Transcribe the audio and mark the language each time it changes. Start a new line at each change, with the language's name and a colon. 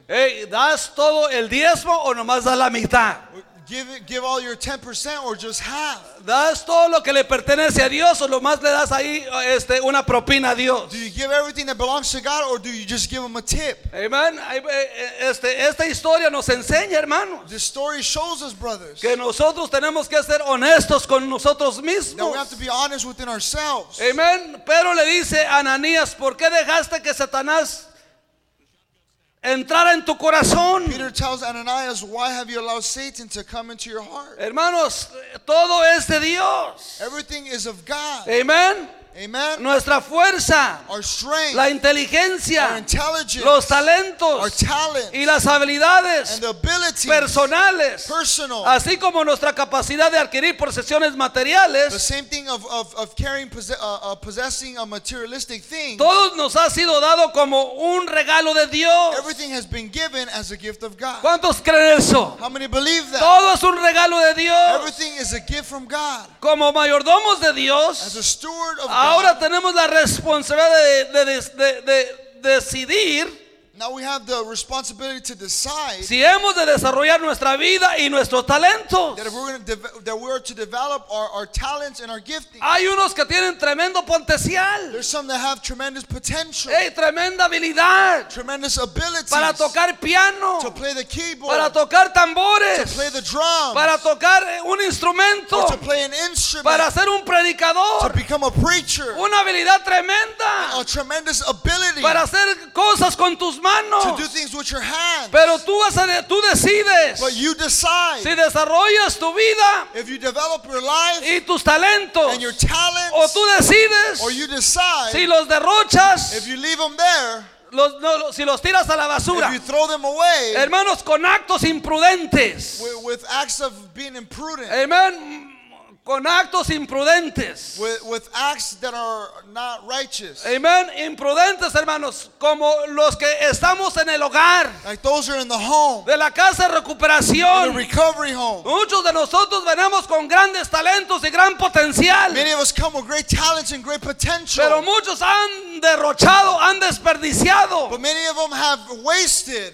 Spanish: Hey, ¿das todo el diezmo o nomás das la mitad?
English: Give all your 10% or just half?
Spanish: ¿Das todo lo que le pertenece a Dios o nomás le das ahí una propina a Dios?
English: Do you give everything that belongs to God or do you just give him a tip? Amen.
Spanish: Esta historia nos enseña, hermanos.
English: This story shows us, brothers,
Spanish: que nosotros tenemos que ser honestos con nosotros mismos.
English: That we have to be honest within ourselves. Amen.
Spanish: Pedro le dice a Ananías, ¿por qué dejaste que Satanás entrar en tu corazón?
English: Peter tells Ananias, why have you allowed Satan to come into your heart?
Spanish: Hermanos, todo es de Dios.
English: Everything is of God. Amen. Amen.
Spanish: Nuestra fuerza,
English: our strength,
Spanish: la inteligencia,
English: our intelligence,
Spanish: los talentos,
English: our talents,
Spanish: y las habilidades,
English: and the abilities,
Spanish: personales,
English: personal,
Spanish: así como nuestra capacidad de adquirir posesiones materiales,
English: the same thing of carrying possessing a materialistic thing.
Spanish: Todo nos ha sido dado como un regalo de Dios.
English: Everything has been given as a gift of God.
Spanish: ¿Cuántos creen eso?
English: How many believe that?
Spanish: Todo es un regalo de Dios.
English: Everything is a gift from God.
Spanish: Como mayordomos de Dios,
English: as a steward of,
Spanish: ahora tenemos la responsabilidad de decidir.
English: Now we have the responsibility to decide.
Spanish: Si hemos de desarrollar nuestra vida y nuestros talentos.
English: That we are to develop our talents and our gifting.
Spanish: Hay unos que tienen tremendo potencial.
English: There's some that have tremendous potential.
Spanish: Hey, tremenda habilidad.
English: Tremendous abilities.
Spanish: Para tocar piano.
English: To play the keyboard.
Spanish: Para tocar tambores.
English: To play the drums.
Spanish: Para tocar un instrumento.
English: Or to play an instrument.
Spanish: Para ser un predicador.
English: To become a preacher.
Spanish: Una habilidad tremenda.
English: A tremendous ability.
Spanish: Para hacer cosas con tus manos.
English: To do things with your hands.
Spanish: Pero tú decides.
English: But you decide.
Spanish: Si desarrollas tu vida.
English: If you develop your life.
Spanish: Y tus talentos.
English: And your talents.
Spanish: O tú decides.
English: Or you decide.
Spanish: Si los derrochas.
English: If you leave them there.
Spanish: Si los tiras a la basura.
English: If you throw them away.
Spanish: Hermanos, con actos imprudentes.
English: With acts of being imprudent.
Spanish: Amen. Con actos imprudentes.
English: With acts that are not righteous. Amen.
Spanish: Imprudentes, hermanos, como los que estamos en el hogar.
English: Like those are in the home.
Spanish: De la casa de recuperación.
English: In a recovery home.
Spanish: Muchos de nosotros venimos con grandes talentos y gran potencial.
English: Many of us come with great talents and great potential.
Spanish: Pero muchos han derrochado, han desperdiciado.
English: But many of them have wasted.